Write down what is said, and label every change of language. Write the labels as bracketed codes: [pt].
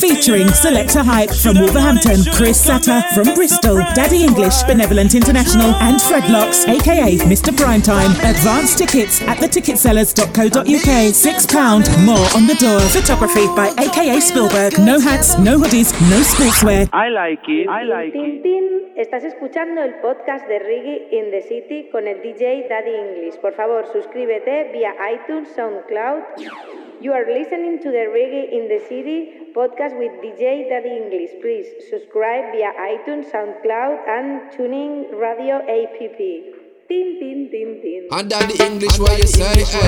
[en] Featuring Selector Hype from Wolverhampton, Chris Satter from Bristol, Daddy English, Benevolent International, and Fredlocks, aka Mr. Primetime. Advance tickets at theticketsellers.co.uk. £6, more on the door. Photography by aka Spielberg. No hats, no hoodies, no sportswear. I like it, I like it. [es] Tintin, estás escuchando el podcast de Reggae in the City con el DJ Daddy English. Por favor, suscríbete vía iTunes, SoundCloud. [en] You are listening to the Reggae in the City podcast with DJ Daddy English. Please subscribe via iTunes, SoundCloud and Tuning Radio APP. Tintin, Tintin. And Daddy English, what you say?